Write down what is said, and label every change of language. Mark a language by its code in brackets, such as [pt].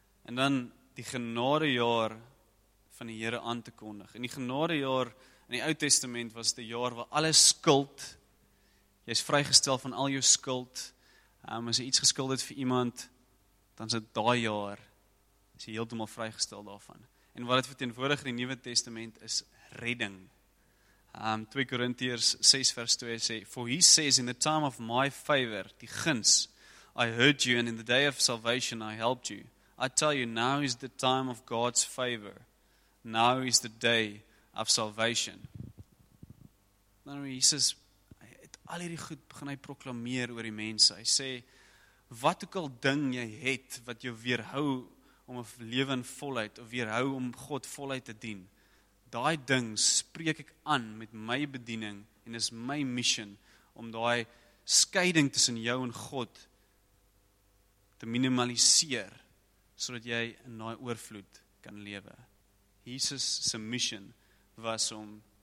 [af] En dan die genadejaar van die Here aan te kondig. En die genadejaar in die Ou Testament was die jaar waar alle skuld, jy is vrygestel van al jou skuld, as jy iets geskuld het vir iemand, dan is dit daai jaar, is jy heeltemal vrygestel daarvan. En wat het verteenwoordig in die Nuwe Testament is redding. 2 Korintiërs 6 vers 2 sê, [en] For he says, in the time of my favor, [af] die guns, [en] I heard you, and in the day of salvation I helped you. I tell you, now is the time of God's favor. Now is the day of salvation. [af] Nou, Jesus, hy het al hierdie goed begin hy proklameer oor die mense. Hy sê, wat ook al ding jy het, wat jou weerhou, om 'n lewe in volheid, of weerhou om God volheid te dien, daai ding spreek ek aan met my bediening, en is my mission, om daai skeiding tussen jou en God te minimaliseer, sodat jy in daai oorvloed kan lewe. Jesus se mission was om